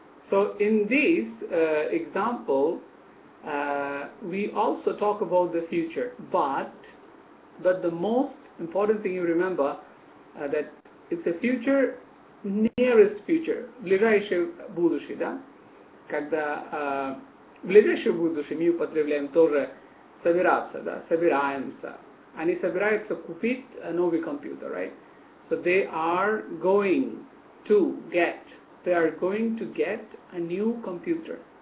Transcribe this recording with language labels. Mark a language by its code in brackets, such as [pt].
[en] So in this example, we also talk about the future, but the most important thing you remember that it's a future, nearest future, [ru] ближайшее будущее, да? Когда ближайшее будущее мы употребляем тоже собираться, да? Собираемся. Они собираются купить a новый компьютер, right? [en] So they are going to get. They are going to get a new computer.